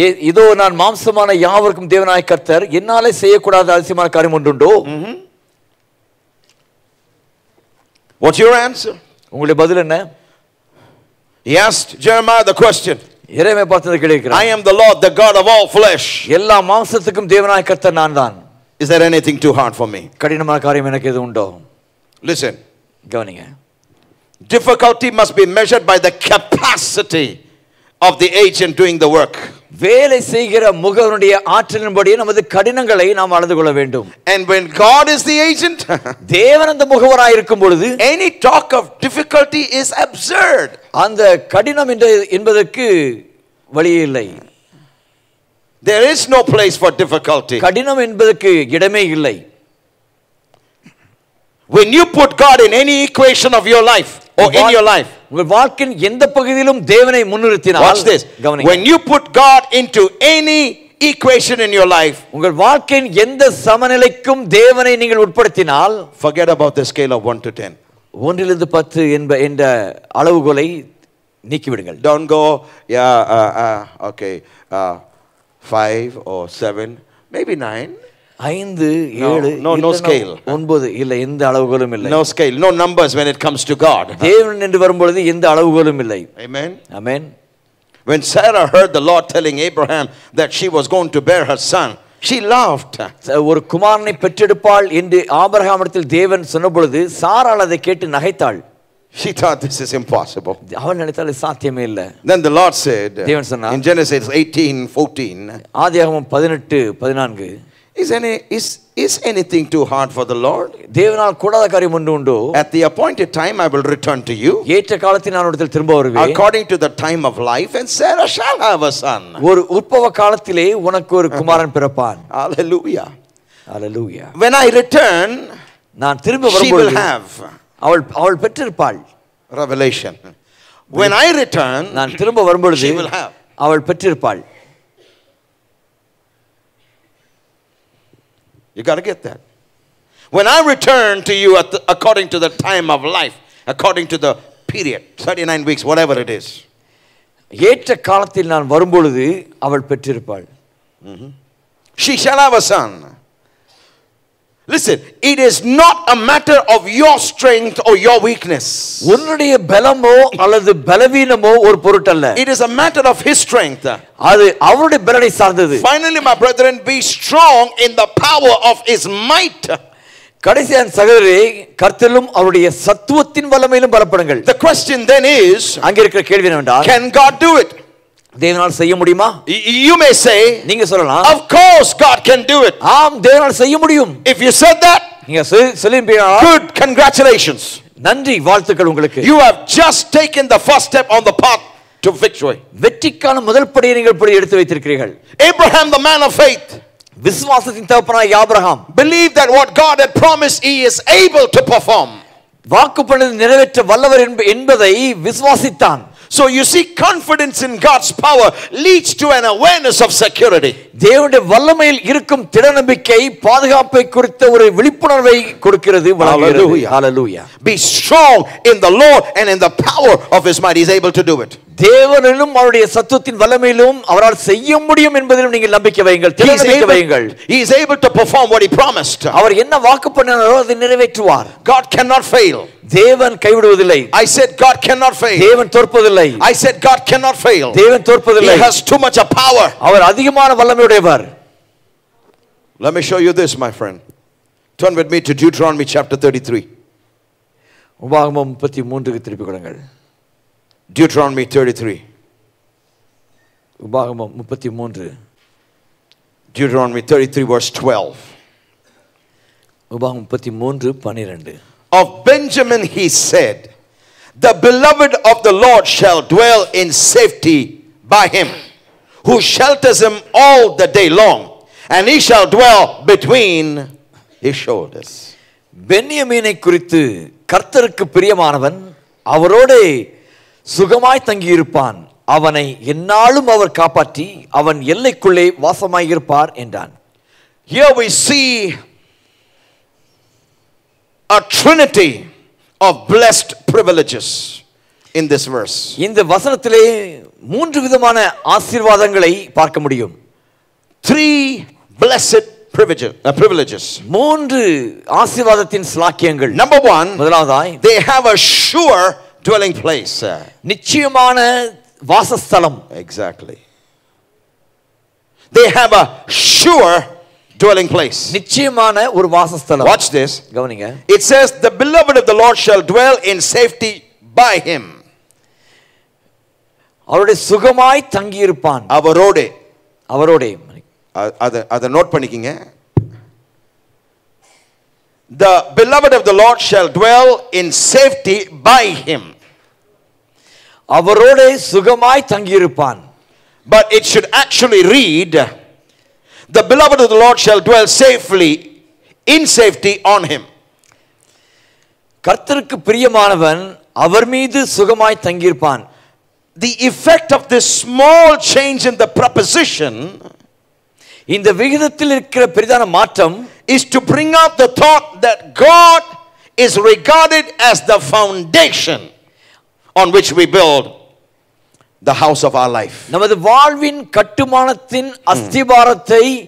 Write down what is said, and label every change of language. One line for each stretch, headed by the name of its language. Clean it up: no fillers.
Tamil: இதோ நான் மாம்சமான யாவருக்கும் தேவனாய் கர்த்தர், என்னாலே செய்யக்கூடாத அதிசயமான காரியம் ஒன்றுண்டோ?
English: What's your answer?
Tamil: உங்களுடைய பதில் என்ன?
English: He asked Jeremiah the question.
Tamil: எரேமியா பார்த்தது கேட்கிறார்.
English: I am the Lord, the God of all flesh.
Tamil: எல்லா மாம்சத்துக்கும் தேவனாய் கர்த்தர் நான் தான்.
English: Is there anything too hard for me?
Tamil: கடினமான காரியம் எனக்கு எது உண்டோ?
English: Listen.
Tamil: கவனிங்க.
English: Difficulty must be measured by the capacity of the agent doing the work.
Tamil: வேலை செய்கிற முகவனுடைய ஆற்றலின்படி நமது கடினங்களை நாம் அளந்து கொள்ள வேண்டும்.
English: And when God is the agent,
Tamil: தேவன் அந்த முகவராய் இருக்கும் பொழுது,
English: any talk of difficulty is absurd.
Tamil: அந்த கடினம் என்பதற்கு வழியே இல்லை.
English: There is no place for difficulty.
Tamil: கடினம் என்பதற்கு இடமே இல்லை.
English: When you put God in any equation of your life or in your life,
Tamil: உங்கள் வாழ்க்கையில் எந்த பகுதியிலும் தேவனை முன்னிறுத்தினால்,
English: watch this.
Tamil: கவனிங்க.
English: When you put God into any equation in your life,
Tamil: உங்கள் வாழ்க்கையில் எந்த சமநிலைக்கும் தேவனை நீங்கள் உட்படுத்தினால்,
English: forget about the scale of 1 to 10.
Tamil: 1 to 10 என்ற அளவுகோலை நீக்கி விடுங்கள்.
English: Don't go, yeah, okay. 5 or 7, maybe 9.
Tamil: 5, 7, 9
English: No scale, no numbers when it comes to God.
Tamil: தேவன் என்று வரும்பொழுது எந்த அளவுகோலும் இல்லை.
English: Amen. Amen. When Sarah heard the Lord telling Abraham that she was going to bear her son, she laughed.
Tamil: ஒரு குமாரனை பெற்றெடுப்பாள் என்று ஆபிரகாமிடத்தில் தேவன் சொன்னபொழுது சாராள் அதை கேட்டு நகைத்தாள்.
English: She thought this is impossible.
Tamil: அவள் நினைத்தாள் சாத்தியமே இல்லை.
English: Then the Lord said,
Tamil: தேவன் சொன்னார்,
English: in Genesis 18:14,
Tamil: ஆதியாகமம் 18:14,
English: Is anything too hard for the Lord?
Tamil: தேவனால் கூடாத காரியம் ஒன்று உண்டோ?
English: At the appointed time I will return to you.
Tamil: ஏற்ற காலத்தில் நான் உடத்தில் திரும்ப வருவேன்.
English: According to the time of life and Sarah shall have a son.
Tamil: ஒரு உற்பவ காலத்திலே உனக்கு ஒரு குமாரன் பிறப்பான்.
English: Hallelujah. Hallelujah. When I return,
Tamil: நான் திரும்ப வரும்போது,
English: she will have.
Tamil: அவள் பெற்றிருப்பாள்.
English: Revelation. When I return,
Tamil: நான் திரும்ப வரும்போது,
English: she will have.
Tamil: அவள் பெற்றிருப்பாள்.
English: You got to get that. When I return to you according to the time of life, according to the period, 39 weeks, whatever it is.
Tamil: ஏற்ற காலத்தில் நான் வரும்பொழுது அவள் பெற்றிருப்பாள்.
English: She shall have a son. Listen, it is not a matter of your strength or your weakness.
Tamil: உன்னுடைய பலமோ அல்லது பலவீனமோ ஒரு பொருட்டல்ல.
English: It is a matter of his strength.
Tamil: அது அவருடைய பலத்தை சார்ந்தது.
English: Finally, my brethren, be strong in the power of his might.
Tamil: கடைசியான சகோதரரே, கர்த்தரிலும் அவருடைய சத்துவத்தின் வல்லமையிலும் பலப்படுங்கள்.
English: The question then is,
Tamil: அங்க இருக்கிற கேள்வி என்னவென்றால்,
English: can God do it?
Tamil: தேவனால் செய்ய முடியுமா?
English: You may say,
Tamil: நீங்க சொல்லலாம்,
English: of course God can do it.
Tamil: ஆம், தேவனால் செய்ய முடியும்.
English: If you said that,
Tamil: நீங்க சொல்லிப்பீங்க,
English: good, congratulations.
Tamil: நன்றி, வாழ்த்துக்கள் உங்களுக்கு.
English: You have just taken the first step on the path to victory.
Tamil: வெற்றிக்கான முதல் படியை நீங்கள் படி எடுத்து வைத்திருக்கிறீர்கள்.
English: Abraham, the man of faith,
Tamil: விசுவாசத்தின் தகப்பனாய் Abraham,
English: believe that what God had promised he is able to perform.
Tamil: வாக்கு பண்ணது நிறைவேற்ற வல்லவர் என்பதை விசுவாசித்தான்.
English: So you see, confidence in God's power leads to an awareness of security.
Tamil: தேவனுடைய வல்லமையில் இருக்கும் திடநம்பிக்கை பாதுகாப்பை குறித்த ஒரு விழிப்புணர்வை கொடுக்கிறது.
English: Hallelujah. Hallelujah. Be strong in the Lord and in the power of his might. He's able to do it.
Tamil: தேவனிலும் அவருடைய சத்துவத்தின் வல்லமையிலும் அவரால் செய்ய முடியும் என்பதிலும் நீங்கள் நம்பிக்கை வையுங்கள், திடநம்பிக்கை வையுங்கள்.
English: He is able to perform what he promised.
Tamil: அவர் என்ன வாக்கு பண்ணினாரோ அதை நிறைவேற்றுவார்.
English: God cannot fail.
Tamil: தேவன் கைவிடுவதில்லை.
English: I said God cannot fail.
Tamil: தேவன் தோற்பதில்லை.
English: I said God cannot fail.
Tamil: தேவன் தோற்பதில்லை.
English: He has too much a power.
Tamil: அவர் அதிகமான வல்லமையுடையவர்.
English: Let me show you this, my friend. Turn with me to Deuteronomy chapter 33.
Tamil: உபாகமம் 33-க்கு திருப்பி கொள்ளுங்கள்.
English: Deuteronomy 33.
Tamil: உபாகமம் 33
English: Deuteronomy 33 verse 12
Tamil: உபாகமம் 33 12
English: Of Benjamin he said the beloved of the Lord shall dwell in safety by him who shelters him all the day long and he shall dwell between his shoulders
Tamil: பென்யமீனை குறித்து கர்த்தருக்கு பிரியமானவன் அவரோடு சுகமாய் தங்கியிருப்பான் அவனை என்னாலும் அவர் காப்பாற்றி அவன் எல்லைக்குள்ளே வாசமாயிருப்பார் என்றான்
English: Here we see a trinity of blessed privileges in this verse
Tamil: இந்த வசனத்திலே மூன்று விதமான ஆசீர்வாதங்களை பார்க்க முடியும்
English: Three blessed privileges
Tamil: மூன்று ஆசீர்வாதத்தின் சலாக்கியங்கள்
English: Number 1
Tamil: முதலாவதாய்
English: they have a sure dwelling place
Tamil: நிச்சயமான வாசஸ்தலம்
English: Exactly they have a sure dwelling place
Tamil: நிச்சயமான ஒரு வாசஸ்தலம்
English: Watch this
Tamil: கவனிங்க
English: It says the beloved of the Lord shall dwell in safety by him
Tamil: அவரோடு சுகமாய் தங்கி இருப்பான் அவரோடு அவரோடு அதை நோட் பண்ணிக்கிங்க
English: The beloved of the Lord shall dwell in safety by him
Tamil: அவரோடு சுகமாய் தங்கி இருப்பான்
English: But it should actually read The beloved of the Lord shall dwell safely in safety on him
Tamil: கர்த்தருக்கு பிரியமானவன் அவர் மீது சுகமாய் தங்கி இருப்பான்
English: The effect of this small change in the preposition
Tamil: இந்த விகிதத்தில் இருக்கிற பிரதான மாற்றம்
English: is to bring out the thought that God is regarded as the foundation on which we build the house of our life
Tamil: நமது வாழ்வின் கட்டுமானத்தின் அஸ்திபாரத்தை